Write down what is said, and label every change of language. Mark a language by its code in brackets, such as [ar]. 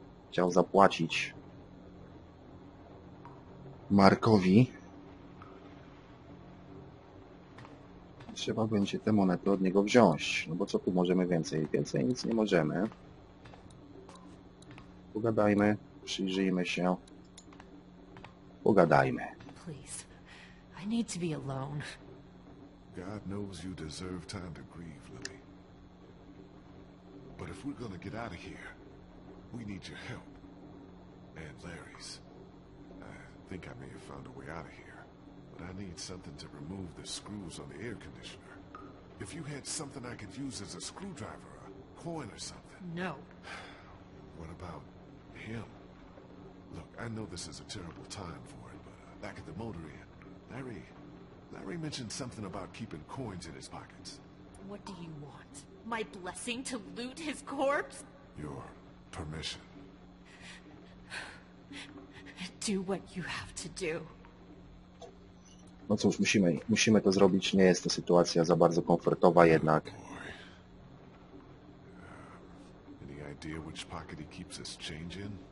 [pl] Chciał zapłacić Markowi. Trzeba będzie te monety od niego wziąć. No bo co tu możemy więcej? Więcej nic nie możemy. Pogadajmy, przyjrzyjmy się. Pogadajmy. [en] Please. I need to be alone. God knows you deserve time to grieve, Lily. But if we're gonna get out of here, we need your help. And Larry's. I think I may have found a way out of here. But I need something to remove the screws on the air conditioner. If you had something I could use as a screwdriver, a coin or something. No. What about him? Look, I know this is a terrible time for it, but back at the motor inn, Larry mentioned something about keeping coins in his pockets. What do you want? My blessing to loot his corpse? Your permission. Do what you have to do. [pl] No cóż, musimy to zrobić. Nie jest to sytuacja za bardzo komfortowa jednak. [en] Any idea which pocket he keeps his change in?